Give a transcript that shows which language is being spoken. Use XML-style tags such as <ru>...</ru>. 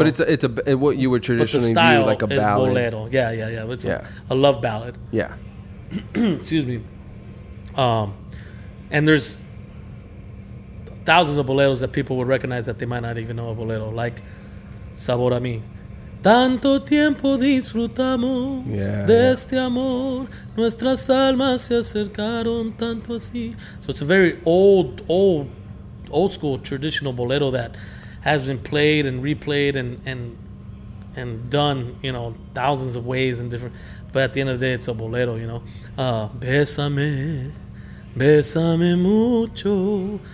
<en>But it's what you would traditionally view like a ballad. Bolero. Yeah. It's a love ballad. Yeah. Excuse me. And there's thousands of boleros that people would recognize that they might not even know a bolero, like Sabor a Mí.</en> <es>Tanto tiempo disfrutamos de este amor. Nuestras almas se acercaron tanto así.</es> <en>So it's a very old school traditional bolero that has been played and replayed and done, you know, thousands of ways and different. But at the end of the day, it's a bolero, you know.</en> <es>Bésame, bésame mucho.</es>